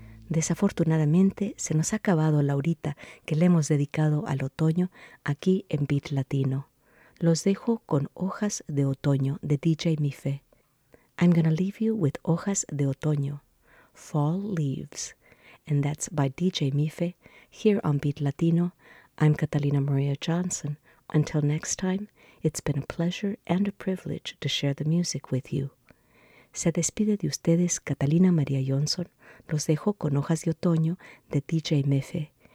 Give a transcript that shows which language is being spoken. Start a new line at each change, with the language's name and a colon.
Spanish: Desafortunadamente se nos ha acabado la horita que le hemos dedicado al otoño aquí en Beat Latino. Los dejo con Hojas de Otoño de DJ Mife.
English: I'm gonna leave you with Hojas de Otoño, Fall Leaves. And that's by DJ Mife here on Beat Latino. I'm Catalina Maria Johnson. Until next time, it's been a pleasure and a privilege to share the music with you.
Spanish: Se despide de ustedes Catalina María Johnson. Los dejo con Hojas de Otoño de DJ Mefe.